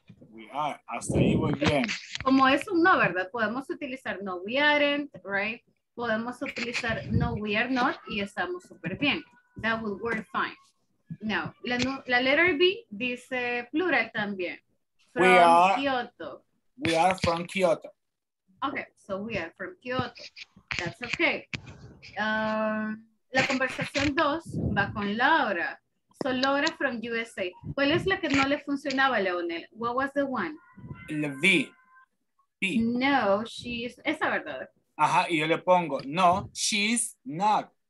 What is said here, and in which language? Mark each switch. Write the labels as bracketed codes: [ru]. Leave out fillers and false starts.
[en] We are. [es] Hasta ahí voy bien. Como es un no, ¿verdad? Podemos utilizar no, [en] we aren't, right? [es] Podemos utilizar no, we are not, y estamos súper bien. [en] That will work fine. [es] Now, la letter B dice plural también. [en] From we are, Kyoto. We are from Kyoto. Okay, so we are from Kyoto. That's okay. [es] La conversación 2 va con Laura. [en] So Laura from USA. [es] ¿Cuál es la que no le funcionaba, Leonel? [en] What was the one? [es] La V. B. No, [en] she's... [es] Esa verdad. Ajá, y yo le pongo, [en] no, she's not.